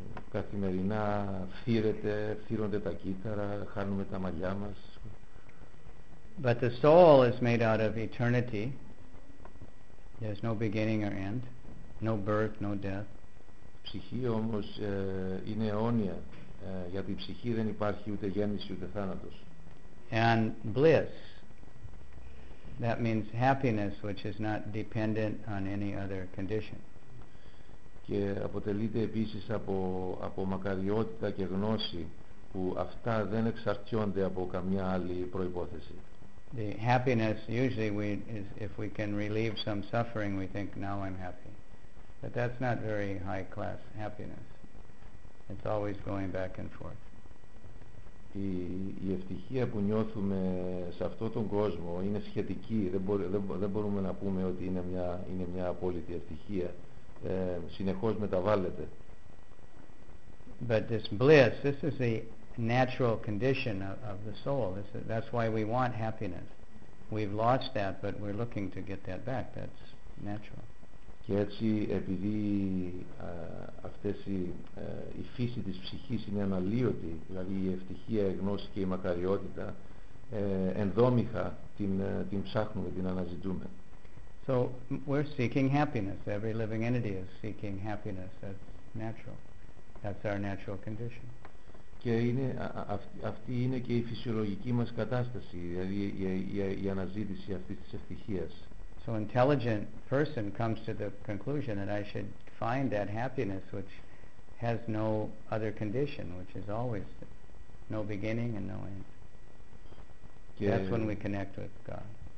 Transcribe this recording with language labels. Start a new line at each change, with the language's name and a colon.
Greek: Καθημερινά φύρονται τα κύτταρα, χάνουμε τα μαλλιά μας.
English: But the soul is made out of eternity. There's no beginning or end, no birth, no death.
Greek: Η ψυχή όμως είναι αιώνια, γιατί η ψυχή δεν υπάρχει ούτε γέννηση ούτε θάνατος.
English: And bliss, that means happiness which is not dependent on any other condition.
Greek: Και αποτελείται επίσης από μακαριότητα και γνώση, που αυτά δεν εξαρτιόνται από καμιά άλλη προϋπόθεση.
English: The happiness usually if we can relieve some suffering, we think now I'm happy. But that's not very high class happiness. It's always going back and forth.
Greek: η ευτυχία που νιώθουμε σε αυτόν τον κόσμο είναι σχετική, δεν μπορούμε να πούμε ότι είναι μια απόλυτη ευτυχία, συνεχώς μεταβάλλεται.
English: But this bliss, this is the natural condition of the soul. That's why we want happiness. We've lost that, but we're looking to get that back. That's natural.
Greek: Και έτσι, επειδή αυτές η φύση της ψυχής είναι αναλύωτη, δηλαδή η ευτυχία, η γνώση και η μακαριότητα, ενδόμηχα την ψάχνουμε, την αναζητούμε.
English: So we're seeking happiness. Every living entity is seeking happiness. That's natural. That's our natural condition.
Greek: Και είναι, αυτή είναι και η φυσιολογική μας κατάσταση, δηλαδή η αναζήτηση αυτής της ευτυχίας.
English: So an intelligent person comes to the conclusion that I should find that happiness which has no other condition, which is always no beginning and no end.
Greek: Και
English: that's when we connect with God.